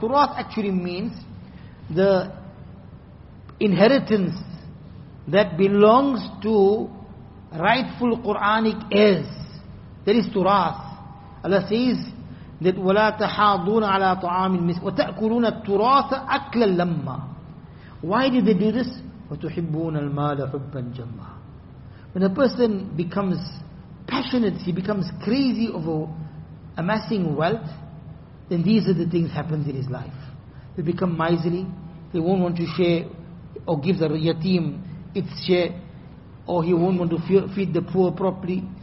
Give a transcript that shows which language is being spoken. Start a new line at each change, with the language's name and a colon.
English: Turath actually means the inheritance that belongs to rightful Quranic heirs. That is turath. Allah says that
Arabic: وَلَا تَحَاضُونَ عَلَىٰ طَعَامٍ مِسْكِينٍ وَتَأْكُلُونَ التُّرَاثَ أَكْلًا لَمَّا.
English: Why did they do this?
Arabic: وَتُحِبُّونَ الْمَالَ حُبًّا جَمَّا.
English: When a person becomes passionate, he becomes crazy over amassing wealth, then these are the things happens in his life. They become miserly, they won't want to share or give the yatim its share, or he won't want to feed the poor properly.